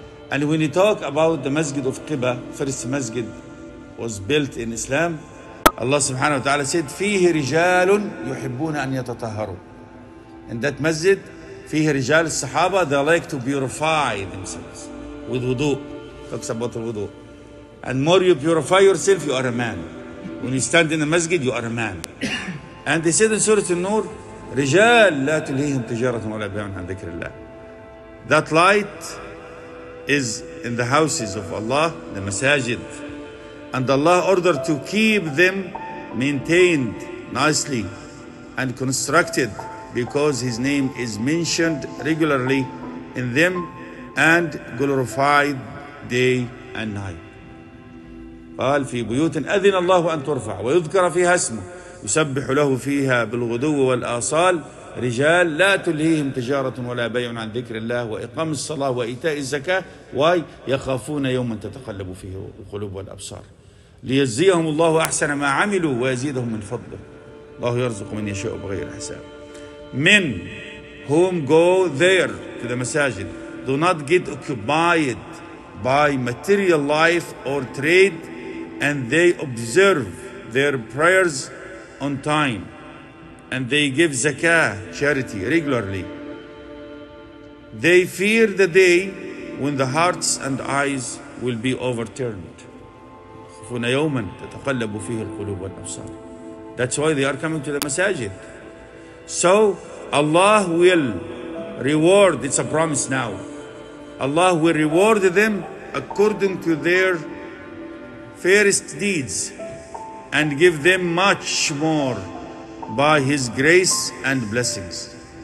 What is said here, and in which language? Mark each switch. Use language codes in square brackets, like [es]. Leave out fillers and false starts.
[en] And when you talk about the Masjid of Qiba, first Masjid was built in Islam, Allah subhanahu wa ta'ala said, [ar] فيه رجال يحبون أن يتطهروا. [en] In that Masjid, [ar] فيه رجال الصحابة, [en] they like to purify themselves with wudu. Talks about the wudu. And more you purify yourself, you are a man. When you stand in the Masjid, you are a man. And they said in Surah An-Nur, [ar] رجال لا تلهيهم تجارة ولا بيع عن ذكر الله. [en] That light is in the houses of Allah, the masajid. And Allah ordered to keep them maintained nicely and constructed because His name is mentioned regularly in them and glorified day and night. [ar] قال في بيوت أذن الله أن ترفع ويذكر فيها اسمه يسبح له فيها بالغدو والآصال رجال لا تلهيهم تجارة ولا بيع عن ذكر الله وإقام الصلاة وإيتاء الزكاة ويخافون يوما تتقلب فيه القلوب والأبصار ليجزيهم الله أحسن ما عملوا ويزيدهم من فضله الله يرزق من يشاء بغير حساب [en] Men whom go there to the masajid do not get occupied by material life or trade and they observe their prayers on time and they give zakah, charity, regularly. They fear the day when the hearts and eyes will be overturned. That's why they are coming to the masajid. So Allah will reward, it's a promise now, Allah will reward them according to their fairest deeds and give them much more by His grace and blessings.